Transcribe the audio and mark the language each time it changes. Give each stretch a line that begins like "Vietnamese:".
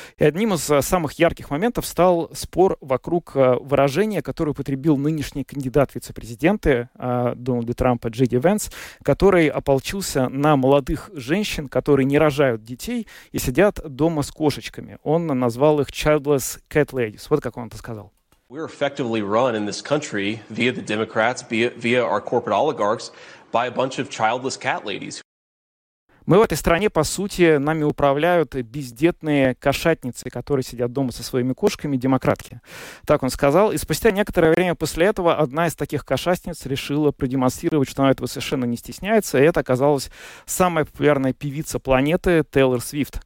Russian: И одним из самых ярких моментов стал спор вокруг выражения, которое употребил нынешний кандидат вице-президента Дональда Трампа Джей Ди Венс, который ополчился на молодых женщин, которые не рожают детей и сидят дома с кошечками. Он назвал их
English: «childless cat ladies».
Russian: Вот как он это сказал.
English: We're effectively run in this country via the Democrats, via our corporate oligarchs, by a bunch of childless cat ladies.
Russian: Мы в этой стране, по сути, нами управляют бездетные кошатницы, которые сидят дома со своими кошками, демократки. Так он сказал. И спустя некоторое время после этого одна из таких кошатниц решила продемонстрировать, что она этого совершенно не стесняется. И это оказалась самая популярная певица планеты Тейлор Свифт.